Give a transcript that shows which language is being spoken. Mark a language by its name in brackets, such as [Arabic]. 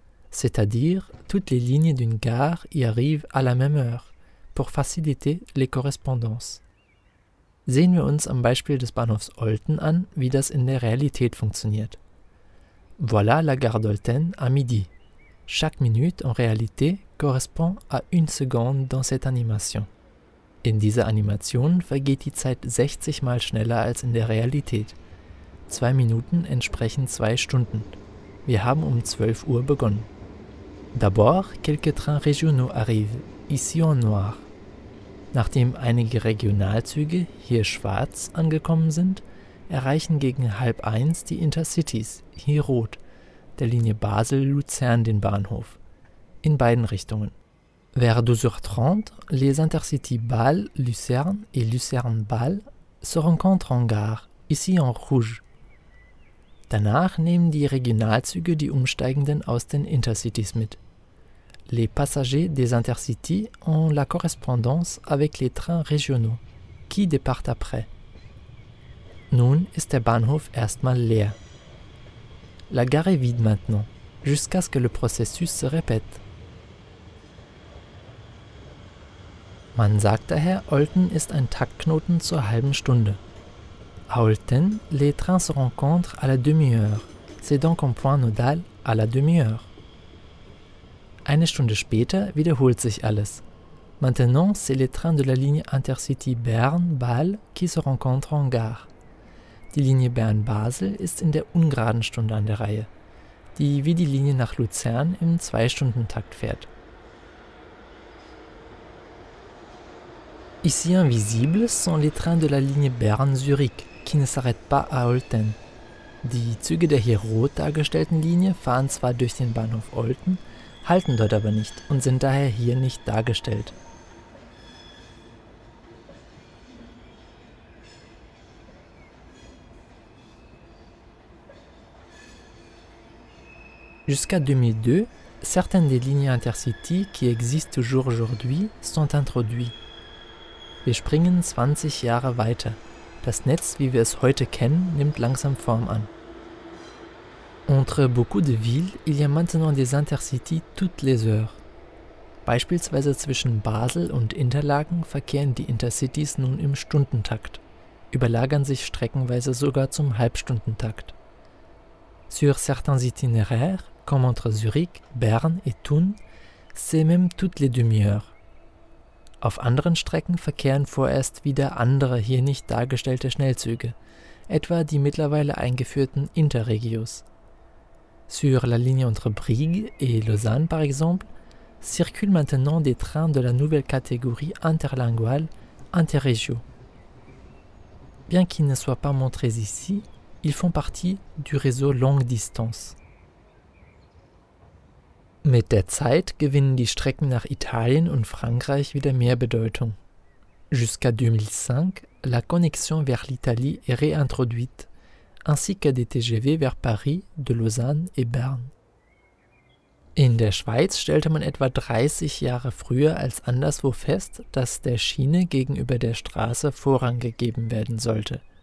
[French] C'est-à-dire, toutes les lignes d'une gare y arrivent à la même heure, pour faciliter les correspondances. [German] Sehen wir uns am Beispiel des Bahnhofs Olten an, wie das in der Realität funktioniert. [French] Voilà la gare d'Olten à midi. Chaque minute, en réalité, correspond à une seconde dans cette animation. [German] In dieser Animation vergeht die Zeit 60 Mal schneller als in der Realität. 2 Minuten entsprechen 2 Stunden. Wir haben um 12 Uhr begonnen. [French] D'abord, quelques trains régionaux arrivent, ici en noir. [German] Nachdem einige Regionalzüge, hier schwarz, angekommen sind, erreichen gegen 12:30 die Intercities, hier rot, der Linie Basel-Luzern den Bahnhof. In beiden Richtungen. [French] Vers 12:30, les Intercities Bâle-Lucerne et Lucerne-Bâle se rencontrent en gare, ici en rouge. [German] Danach nehmen die Regionalzüge die Umsteigenden aus den Intercities mit. [French] Les passagers des Intercities ont la correspondance avec les trains régionaux, qui départent après. [German] Nun ist der Bahnhof erstmal leer. [French] La gare est vide maintenant, jusqu'à ce que le processus se répète. [German] Man sagt daher, Olten ist ein Taktknoten zur halben Stunde. [French] À Olten, les trains se rencontrent à la demi-heure. C'est donc un point nodal à la demi-heure. [German] Eine Stunde später wiederholt sich alles. [French] Maintenant, c'est les trains de la ligne Intercity Berne-Bâle qui se rencontrent en gare. [German] Die Linie Bern-Basel ist in der ungeraden Stunde an der Reihe, die wie die Linie nach Luzern im 2-Stunden-Takt fährt. [French] Ici invisibles sont les trains de la ligne Bern-Zürich, qui ne s'arrête pas à Olten. [German] Die Züge der hier rot dargestellten Linie fahren zwar durch den Bahnhof Olten, halten dort aber nicht und sind daher hier nicht dargestellt. [French] Jusqu'à 2002, certaines des lignes Intercity qui existent toujours aujourd'hui sont introduites. [German] Wir springen 20 Jahre weiter. Das Netz, wie wir es heute kennen, nimmt langsam Form an. [French] Entre beaucoup de villes, il y a maintenant des Intercity toutes les heures. [German] Beispielsweise zwischen Basel und Interlaken verkehren die Intercities nun im Stundentakt, überlagern sich streckenweise sogar zum Halbstundentakt. [French] Sur certains itinéraires, comme entre Zurich, Berne et Thun, c'est même toutes les demi-heures. [German] Auf anderen Strecken verkehren vorerst wieder andere, hier nicht dargestellte Schnellzüge, etwa die mittlerweile eingeführten Interregios. [French] Sur la ligne entre Brigue et Lausanne, par exemple, circulent maintenant des trains de la nouvelle catégorie interlinguale Interregio. Bien qu'ils ne soient pas montrés ici, ils font partie du réseau longue distance. [German] Mit der Zeit gewinnen die Strecken nach Italien und Frankreich wieder mehr Bedeutung. [French] Jusqu'à 2005, la connexion vers l'Italie est réintroduite, ainsi que des TGV vers Paris, de Lausanne et Berne. [German] In der Schweiz stellte man etwa 30 Jahre früher als anderswo fest, dass der Schiene gegenüber der Straße Vorrang gegeben werden sollte.